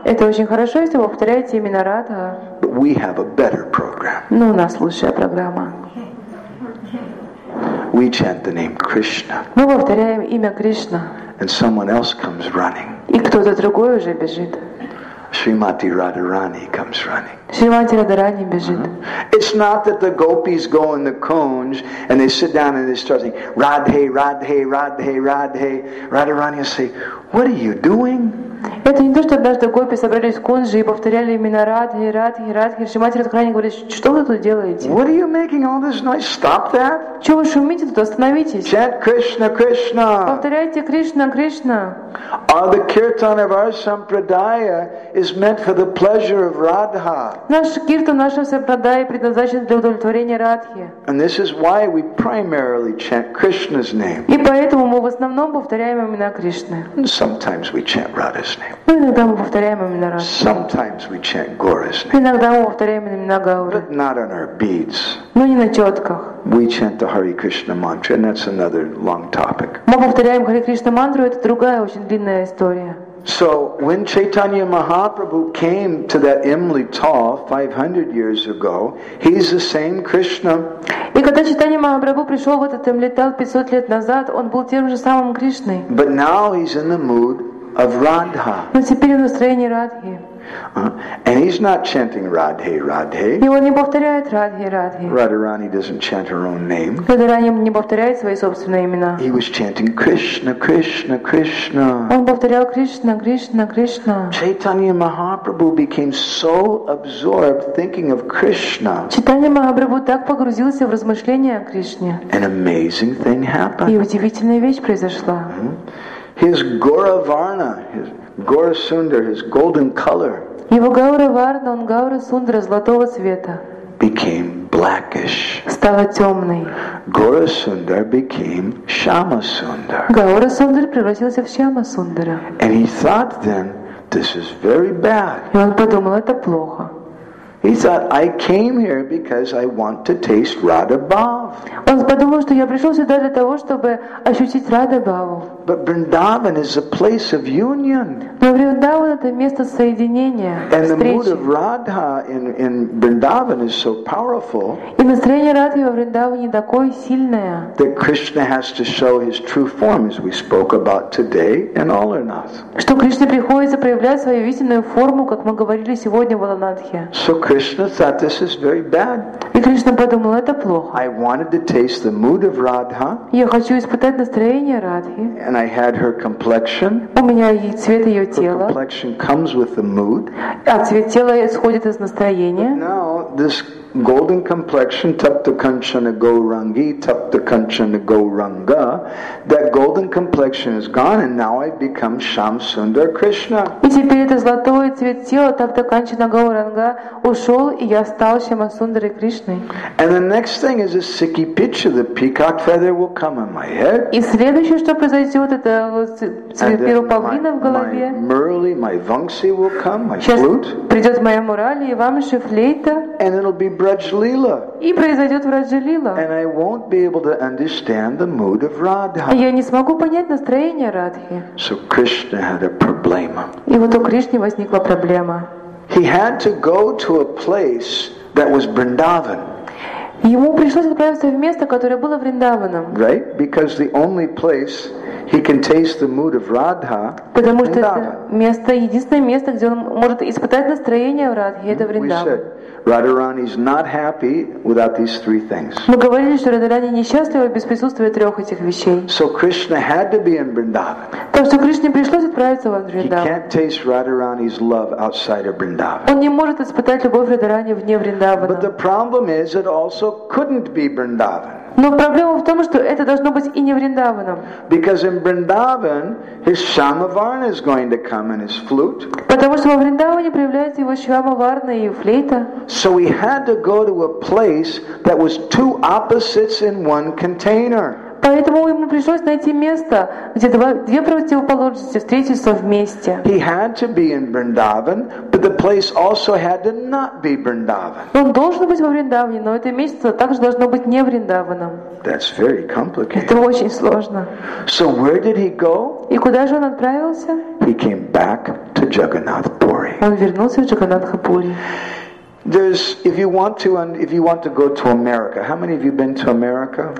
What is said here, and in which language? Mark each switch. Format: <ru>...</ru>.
<ru>Это очень хорошо, если вы повторяете имена Радха.</ru> <en>But we have a better program.</en> <ru>Но у нас лучшая программа.</ru> <en>We chant the name Krishna.</en> <ru>Мы повторяем имя Кришна.</ru> <en>And someone else comes running.</en> <ru>И кто-то другой уже бежит.</ru> <en>Shrimati Radharani comes running.</en> <ru>Shrimati Radharani бежит.</ru> <en>It's not that the gopis go in the cones and they sit down and they start saying Radhe, Radhe, Radhe, Radhe. Radharani will say, what are you doing?</en> <ru>Это не то, что однажды гопи собрались в конже и повторяли имена Радхи, Радхи, Радхи. Шримати Радхарани говорит, что вы тут делаете?</ru> <en>What are you making all this noise? Stop that!</en> <ru>Чего вы шумите тут? Остановитесь!</ru> <en>Chant Krishna, Krishna!</en> <ru>Повторяйте Кришна, Кришна!</ru> <en>All the kirtan of our sampradaya is meant for the pleasure of Radha.</en> <ru>Наш киртан, наша сампрадая предназначен для удовлетворения Радхи.</ru> <en>And this is why we primarily chant Krishna's name.</en> <ru>И поэтому мы в основном повторяем имена Кришны.</ru> <en>Sometimes we chant Radha.</en> <ru>Иногда мы повторяем имена Радхи.</ru> <en>Sometimes we chant Gaura's name.</en> <ru>Иногда мы повторяем имена Гауры.</ru> <en>But not on our beads.</en> <ru>Но не на четках.</ru> <en>We chant the Hare Krishna mantra, and that's another long topic.</en> <ru>Мы повторяем Хари Кришна мантру, это другая очень длинная история.</ru> <en>So when Chaitanya Mahaprabhu came to that Imli Tal 500 years ago, he's the same Krishna.</en> <ru>И когда Чайтанья Махапрабху пришел в этот Имли Тал 500 лет назад, он был тем же самым Кришной.</ru> <en>But now he's in the mood of Radha.</en> <ru>Но теперь в настроении Радхи.</ru> <en>And he's not chanting Radhe, Radhe.</en> <ru>И он не повторяет Радхи, Радхи.</ru> <en>Радхарани doesn't chant her own name.</en> <ru>Радхарани не повторяет свои собственные имена.</ru> <en>He was chanting Krishna, Krishna, Krishna.</en> <ru>Он повторял Кришна, Кришна, Кришна.</ru> <en>Chaitanya Mahaprabhu became so absorbed thinking of Krishna.</en> <ru>Чайтанья Махапрабху так погрузился в размышления о Кришне.</ru> <en>An amazing thing happened.</en> <ru>И удивительная вещь произошла.</ru> <en>His Gauravarna, his Gaurasundar, his golden color.</en> <ru>Его Гаураварна, он Гаурасундра золотого цвета.</ru> <en>Became blackish.</en> <ru>Стала темной.</ru> <en>Gaurasundar became Shyamasundar.</en> <ru>Гаурасундар превратился в Шьямасундара.</ru> <en>And he thought then, this is very bad.</en> <ru>И он подумал, это плохо.</ru> <en>He thought, I came here because I want to taste Radha Bhava. But Vrindavan is a place of union. And the mood of Radha in Vrindavan is so powerful that Krishna has to show his true form, as we spoke about today, in all or not.</en> <ru>Что Кришне приходится проявлять свою истинную форму, как мы говорили сегодня в Аланадхе.</ru> <en>So Krishna thought this is very bad.</en> <ru>И Кришна подумал, это плохо.</ru> <en>I wanted to taste the mood of Radha.</en> <ru>Я хочу испытать настроение Радхи.</ru> <en>And I had her complexion.</en> <ru>У меня и цвет ее тела.</ru> <en>Her complexion comes with the mood.</en> <ru>А цвет тела исходит из настроения.</ru> <en>But now this golden complexion,</en> <sa>tapta kanchana gaurangi, tapta kanchana gauranga,</sa> <en>that golden complexion is gone and now I've become Shyam Sundar Krishna.</en> <ru>И теперь это золотое цвет тела,</ru> <sa>tapta kanchana gauranga,</sa> <ru>ушел, и я стал Shyam Sundar Krishna.</ru> <en>And the next thing is a sicky picture, the peacock feather will come on my head.</en> <ru>И следующее, что произойдет, это цвет белого павлина в голове.</ru> <en>My murali, my vangsi will come, my flute.</en> <ru>Придет моя мурали, и вам еще флейта.</ru> <en>And it'll be Брадж-лила.</en> <ru>И произойдет Враджа-лила.</ru> <en>And I won't be able to understand the mood of Radha.</en> <ru>Я не смогу понять настроение Радхи.</ru> <en>So Krishna had a problema.</en> <ru>И вот у Кришны возникла проблема.</ru> <en>He had to go to a place that was Vrindavan.</en> <ru>Ему пришлось отправиться в место, которое было Вриндаваном.</ru> <en>Right? Because the only place he can taste the mood of Radha.</en> <ru>Потому что это место, единственное место, где он может испытать настроение Радхи, это Вриндаван.</ru> <en>Radharani is not happy without these three things.</en> <ru>Мы говорили, что Радхарани несчастлива без присутствия трех этих вещей.</ru> <en>So Krishna had to be in Vrindavan.</en> <ru>Так что Кришне пришлось отправиться в Вриндаван.</ru> <en>He can't taste Radharani's love outside of Vrindavan.</en> <ru>Он не может испытать любовь Радхарани вне Вриндавана.</ru> <en>But the problem is, it also couldn't be Vrindavan.</en> <ru>Но проблема в том, что это должно быть и не Вриндаваном.</ru> <en>Because in Vrindavan, his Shyamavarna is going to come and his flute.</en> <ru>Потому что во Вриндаване проявляется его Шьямаварна и флейта.</ru> <en>So he had to go to a place that was two opposites in one container.</en> <ru>Поэтому ему пришлось найти место, где две противоположности встретятся вместе.</ru> <en>He had to be in Vrindavan, but the place also had to not be Vrindavan.</en> <ru>Он должен быть во Вриндаване, но это место также должно быть не Вриндаваном.</ru> <en>That's very complicated.</en> <ru>Это очень сложно.</ru> <en>So where did he go?</en> <ru>И куда же он отправился?</ru> <en>He came back to Jagannath Puri.</en> <ru>Он вернулся в Джаганнатха-пури.</ru> <en>There's, if you want to go to America, how many of you been to America?</en>